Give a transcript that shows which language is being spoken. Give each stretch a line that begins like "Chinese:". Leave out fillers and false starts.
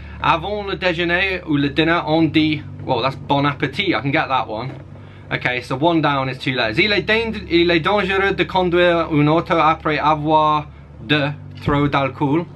French: Avant le déjeuner ou le dîner, on dit...
English: Well, that's bon appétit, I can get that one. Okay, so one down is two letters.
French: Il est dangereux de conduire une auto après avoir de trop d'alcool.